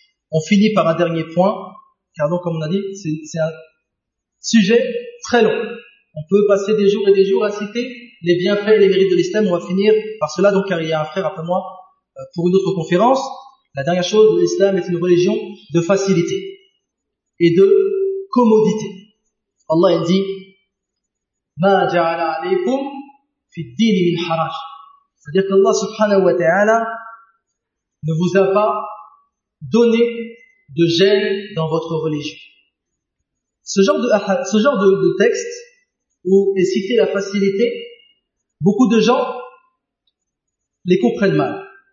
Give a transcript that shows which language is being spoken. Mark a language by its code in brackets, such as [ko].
[fr] On finit par un dernier point, car donc, comme on a dit, c'est un sujet très long. On peut passer des jours et des jours à citer les bienfaits et les mérites de l'islam. On va finir par cela, donc, car il y a un frère après moi pour une autre conférence. La dernière chose, l'islam est une religion de facilité et de commodité. Allah, il dit [ar] ما جعل عليكم في الدين من حرج. [fr] C'est-à-dire que Allah subhanahu wa ta'ala ne vous a pas donné de gêne dans votre religion. Ce genre de texte où est citée la facilité, beaucoup de gens les comprennent mal.